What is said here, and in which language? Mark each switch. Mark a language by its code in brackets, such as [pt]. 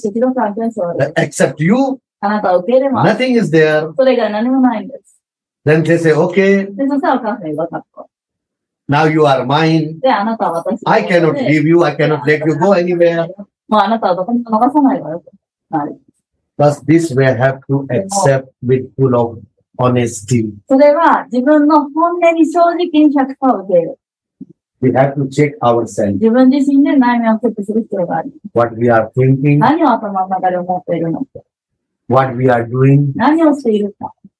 [ja] 私たちの関係はそうあるべき [en] です。Except you, [ja] あなたを受け入れます。 [en] Nothing is there. [ja] それが何もないんです。 [en] Then they say, okay. [ja] で、そしたらお母さんに分かった。 [en] Now you are mine. [ja] で、あなたは私 [en] の。I cannot leave you. I cannot let you go anywhere. [ja] もうあなたはどこにも逃さないわよ。はい。 [en] Thus, this we have to accept with full of honesty. [ja] それは自分の本音に正直に 100% 受ける。 [en] We have to check ourselves. [ja] 自分自身で内面をチェックする必要がある。 [en] What we are thinking. [ja] 何を頭の中で思っているのか。 [en] What we are doing. [ja] 何をしているか。